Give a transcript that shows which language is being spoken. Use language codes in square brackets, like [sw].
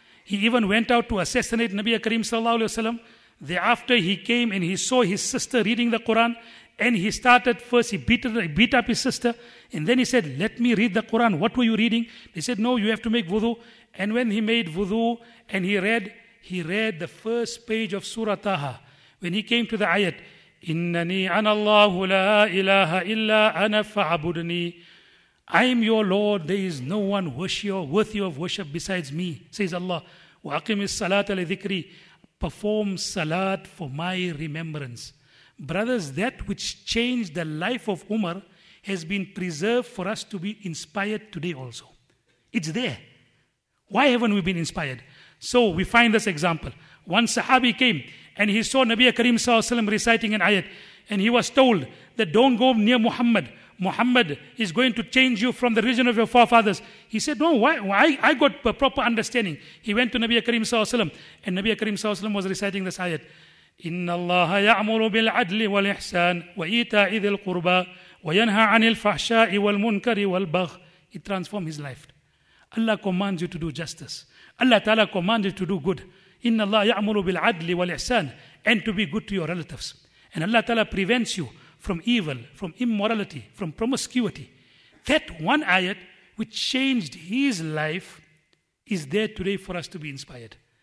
[en] He even went out to assassinate Nabi Karim sallallahu alayhi wa sallam. Thereafter he came and he saw his sister reading the Quran. And he started first, he beat up his sister. And then he said, let me read the Quran. What were you reading? They said, no, you have to make wudu. And when he made wudu and he read the first page of Surah Taha. When he came to the ayat, [ar] إِنَّنِي أَنَ اللَّهُ لَا إِلَهَ إِلَّا أَنَا فَعَبُدْنِي. [en] I am your Lord, there is no one worthy of worship besides me, says Allah. [ar] وَأَقِمِ الصَّلَاةَ لِذِكْرِي. [en] Perform salat for my remembrance. Brothers, that which changed the life of Umar has been preserved for us to be inspired today also. It's there. Why haven't we been inspired? So we find this example. One Sahabi came and he saw Nabi Karim sallallahu alaihi wasallam reciting an ayat. And he was told that don't go near Muhammad. Muhammad is going to change you from the religion of your forefathers. He said, no, why? I got a proper understanding. He went to Nabi Karim sallallahu alaihi wasallam, and Nabi Karim sallallahu alaihi wasallam was reciting this ayat. [ar] إن الله يأمر بالعدل والإحسان وإيتاء ذي القربى وينهى عن الفحشاء والمنكر والبغي. [en] It transformed his life. Allah commands you to do justice. Allah Ta'ala commands you to do good. [ar] إن الله يأمر بالعدل والإحسان, [en] and to be good to your relatives. And Allah Ta'ala prevents you from evil, from immorality, from promiscuity. That one ayat which changed his life is there today for us to be inspired.